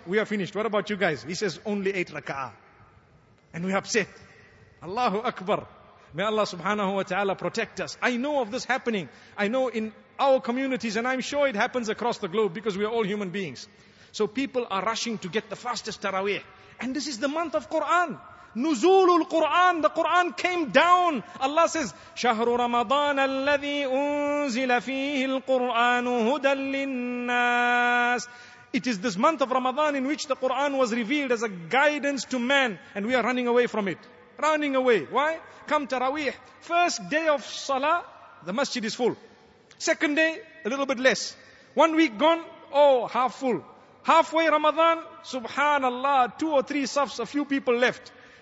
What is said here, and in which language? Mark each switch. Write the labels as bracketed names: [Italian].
[English] We are finished. What about you guys? He says, only 8 raka'ah. And we're upset. Allahu Akbar. May Allah subhanahu wa ta'ala protect us. I know of this happening. I know in our communities, and I'm sure it happens across the globe because we are all human beings. So people are rushing to get the fastest taraweeh. And this is the month of Quran. Nuzulul Quran. The Quran came down. Allah says, [Arabic] شَهْرُ رَمَضَانَ الَّذِي أُنزِلَ فِيهِ الْقُرْآنُ هُدًى لِلنَّاسِ. [English] It is this month of Ramadan in which the Quran was revealed as a guidance to man, and we are running away from it. Running away. Why? Come Taraweeh. First day of Salah, the masjid is full. Second day, a little bit less. 1 week gone, oh, half full. Halfway Ramadan, subhanallah, 2 or 3 safs, a few people left.